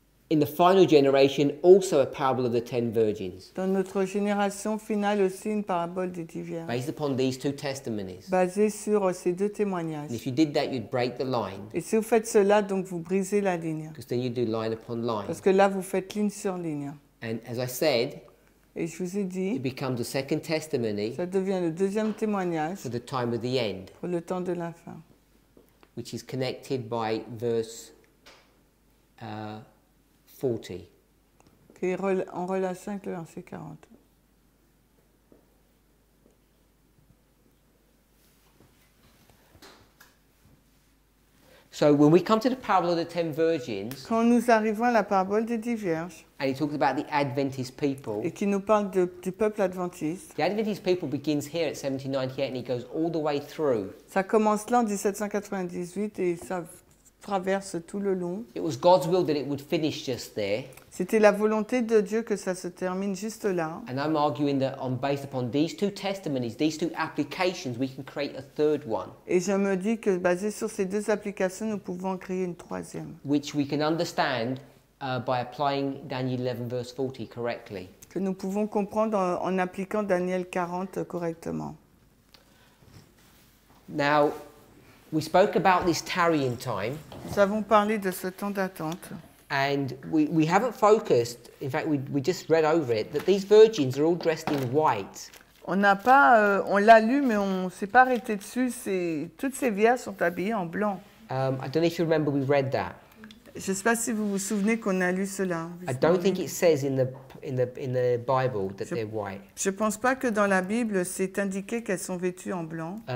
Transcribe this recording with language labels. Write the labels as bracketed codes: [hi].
[en] in the final generation, also a parable of the ten virgins. [fr] Dans notre génération finale aussi, une parabole des 10 vierges. [en] Based upon these two testimonies. [fr] Basé sur ces deux témoignages. [en] And if you did that, you'd break the line. [fr] Et si vous faites cela, donc vous brisez la ligne. [en] Because then you do line upon line. [fr] Parce que là, vous faites ligne sur ligne. [en] And as I said, [fr] et je vous ai dit, [en] it becomes a second testimony. [fr] Ça devient le deuxième témoignage. [en] For the time of the end. [fr] Pour le temps de la fin. [en] Which is connected by verse 40. [fr] Qui est en relation avec le verset 40. [en] So when we come to the parable of the ten virgins, [fr] quand nous arrivons à la parabole des 10 vierges, [en] and he talks about the Adventist people, [fr] et qui nous parle du peuple adventiste, [en] the Adventist people begins here at 1798 and it goes all the way through. [fr] Ça commence là en 1798 et ça traverse tout le long. [en] It was God's will that it would finish just there. [fr] C'était la volonté de Dieu que ça se termine juste là. [en] And I'm arguing that on based upon these two testimonies, these two applications, we can create a third one. [fr] Et je me dis que basé sur ces deux applications, nous pouvons en créer une troisième. [en] Which we can understand by applying Daniel 11 verse 40 correctly. [fr] Que nous pouvons comprendre en appliquant Daniel 40 correctement. [en] Now, we spoke about this tarrying time. [fr] Nous avons parlé de ce temps d'attente. [en] And we haven't focused, in fact we just read over it, that these virgins are all dressed in white. [fr] On n'a pas, on l'a lu mais on ne s'est pas arrêté dessus, toutes ces vierges sont habillées en blanc. [en] I don't know if you remember we read that. [fr] Je ne sais pas si vous vous souvenez qu'on a lu cela. [en] I don't think it says in the Bible that they're white. [fr] Je pense pas que dans la Bible c'est indiqué qu'elles sont vêtues en blanc.